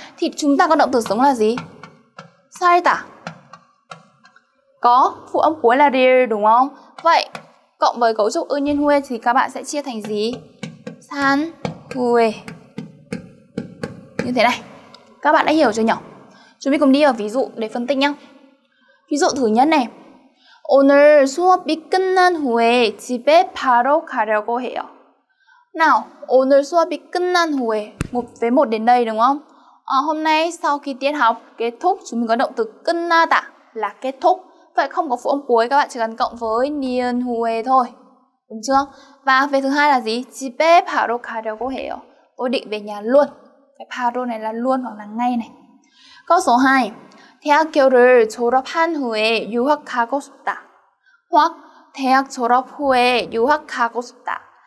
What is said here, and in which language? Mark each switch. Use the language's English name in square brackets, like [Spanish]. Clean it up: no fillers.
[Vietnamese] Thì chúng ta có động từ sống là gì? Sai tả. Có phụ âm cuối là dear, đúng không? Vậy cộng với cấu trúc ư nhiên huê thì các bạn sẽ chia thành gì? San huê. Như thế này. Các bạn đã hiểu chưa nhỉ? Chúng mình cùng đi vào ví dụ để phân tích nhá. Ví dụ thứ nhất này. [Korean] 오늘 수업이 끝난 후에 집에 바로 가려고 해요. [Vietnamese] Nào, [Korean] 오늘 수업이 끝난 후에, [Vietnamese] một với một đến đây đúng không? Hôm nay sau khi tiết học kết thúc, chúng mình có động từ 끝나다 là kết thúc. Vậy không có phụ âm cuối, các bạn chỉ cần cộng với 니은 후에 thôi. Đúng chưa? Và về thứ hai là gì? [Korean] 집에 바로 가려고 해요. [Vietnamese] Tôi định về nhà luôn. Cái 바로 này là luôn hoặc là ngay này. Câu số 2. [Korean] 대학교를 졸업한 후에 유학 가고 싶다. Hoặc 대학 졸업 후에 유학 가고 싶다.